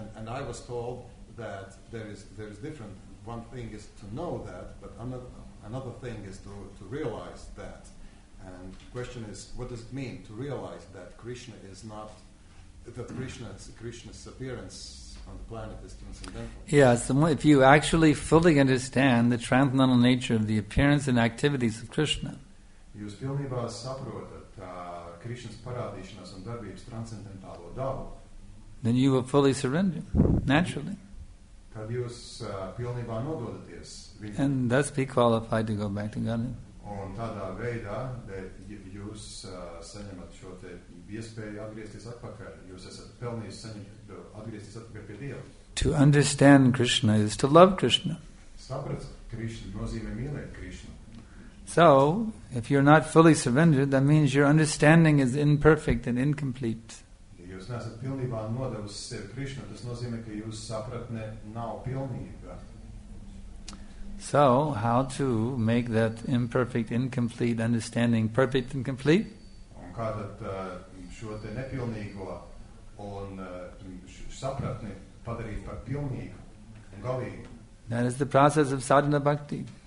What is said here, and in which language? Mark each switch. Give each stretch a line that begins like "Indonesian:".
English: And I was told that there is different. One thing is to know that, but another thing is to realize that. And the question is, what does it mean to realize that Krishna is not, that Krishna's appearance on the planet is transcendental? Yes, if you actually fully understand the transcendental nature of the appearance and activities of Krishna,
Latvian: jūs pilnībā saprotat Krishna's parādīšanās un darbības transcendentālo dabu,
English: then you will fully surrender, naturally.
Latvian: Tad jūs pilnībā nododaties viņam.
English: And thus be qualified to go back to Godhead.
Latvian: Un tādā veidā, bet jūs saņemat šo te iespēju atgriezties atpakaļ, jūs esat pelnījis saņemt atgriezties atpakaļ pie Dieva.
English: To understand Krishna is to love Krishna.
Latvian: Saprast Krishna nozīmē mīlēt Krishna.
English: So, if you're not fully surrendered, that means your understanding is imperfect and incomplete.
Latvian: Ja jūs neesat pilnībā nodevis sevi Krishna, tas nozīmē, ka jūs sapratne nav pilnīga.
English: So, how to make that imperfect, incomplete understanding perfect and complete?
Latvian: Un kā tad šo te nepilnīgo un sapratni padarīt par pilnīgu un galīgu?
English: That is the process of sadhana bhakti.